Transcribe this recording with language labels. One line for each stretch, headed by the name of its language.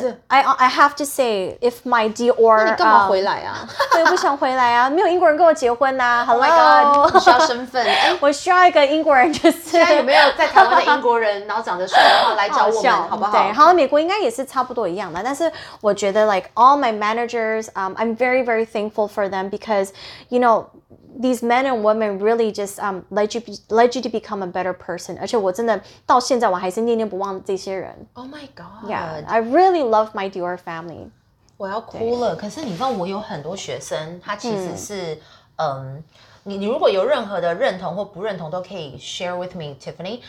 English: And I have to say, if my Dior,
Chinese: 那你干嘛回来啊？我也不想回来啊，没有英国人跟我结婚啊。
English: Hello, oh my God,
Chinese: 你需要身份，我需要一个英国人，就是现在有没有在台湾的英国人，然后长得帅的话来找我们，好不好？对，好像美国应该也是差不多一样的，但是我觉得
English: like all my managers, I'm very very thankful for them because, you know. These men and women really just led you to become a better person.
Chinese: 而且我真的到现在我还是念念不忘这些人。
English: Oh my God. Yeah, I really love my Dior family.
Chinese: 我要哭了。可是你知道我有很多学生，他其实是你如果有任何的认同或不认同都可以
English: share with me,
Chinese: Tiffany.